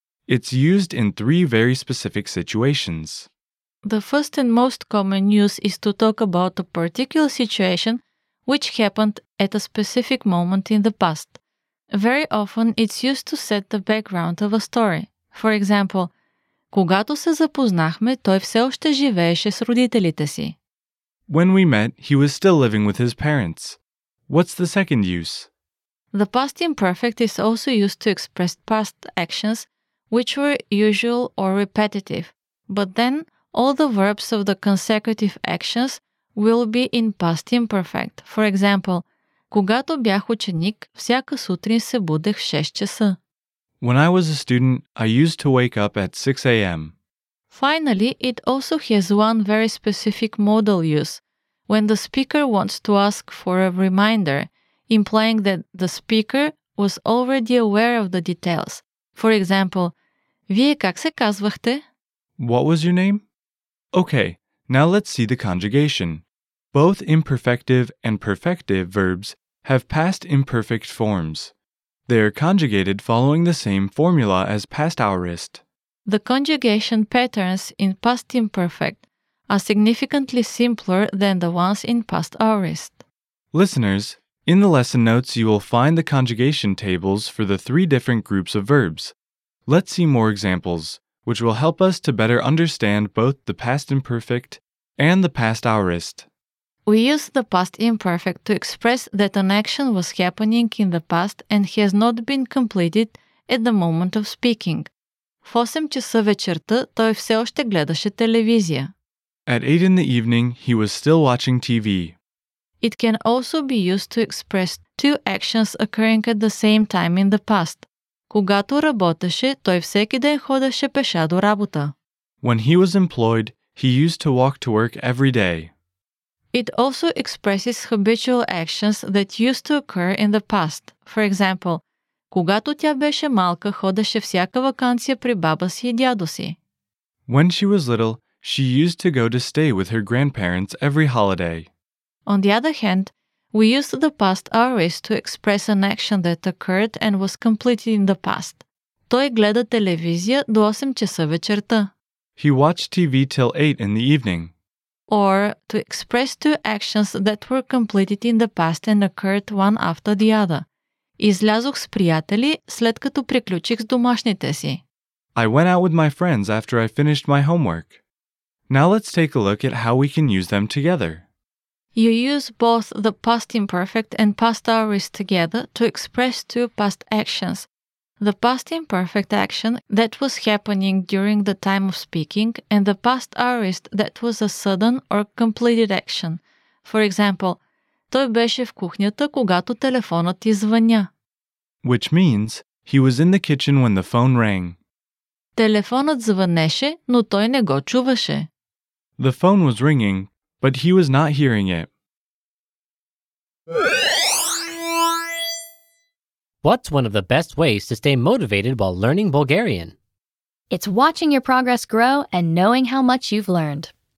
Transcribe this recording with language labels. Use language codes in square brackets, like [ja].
[en] It's used in three very specific situations. The first and most common use is to talk about a particular situation which happened at a specific moment in the past. Very often, it's used to set the background of a story. For example, [bg] Когато се запознахме, той все още живееше с родителите си. [en] When we met, he was still living with his parents. What's the second use? The past imperfect is also used to express past actions, which were usual or repetitive. But then, all the verbs of the consecutive actions will be in past imperfect. For example, [bg] Когато бях ученик, всяка сутрин се будех в 6 часа. [en] When I was a student, I used to wake up at 6 a.m. Finally, it also has one very specific modal use, when the speaker wants to ask for a reminder, implying that the speaker was already aware of the details. For example, [bg] Вие как се казвахте? [en] What was your name? Okay. Now let's see the conjugation. Both imperfective and perfective verbs have past imperfect forms. They are conjugated following the same formula as past aorist. The conjugation patterns in past imperfect are significantly simpler than the ones in past aorist. Listeners, in the lesson notes you will find the conjugation tables for the three different groups of verbs. Let's see more examples, which will help us to better understand both the past imperfect and the past aorist. We use the past imperfect to express that an action was happening in the past and has not been completed at the moment of speaking. [bg] В 8 часа вечерта той все още гледаше телевизия. [en] At 8 in the evening, he was still watching TV. It can also be used to express two actions occurring at the same time in the past. [bg] Когато работеше, той всеки ден ходеше пеша до работа. [en] When he was employed, he used to walk to work every day. It also expresses habitual actions that used to occur in the past. For example, [bg] когато тя беше малка, ходеше всяка ваканция при баба си и дядо си. [en] When she was little, she used to go to stay with her grandparents every holiday. On the other hand, we use the past aorist to express an action that occurred and was completed in the past. [bg] Той гледа телевизия до 8 часа вечерта. [en] He watched TV till 8 in the evening. Or to express two actions that were completed in the past and occurred one after the other. [bg] Излязох с приятели, след като приключих с домашните си. [en] I went out with my friends after I finished my homework. Now let's take a look at how we can use them together. You use both the past imperfect and past aorist together to express two past actions. The past imperfect action that was happening during the time of speaking and the past aorist that was a sudden or completed action. For example, [bg] той беше в кухнята, когато телефонът извъня. [en] Which means, he was in the kitchen when the phone rang. [bg] Телефонът звънеше, но той не го чуваше. [en] The phone was ringing, but he was not hearing it. What's one of the best ways to stay motivated while learning Bulgarian? It's watching your progress grow and knowing how much you've learned.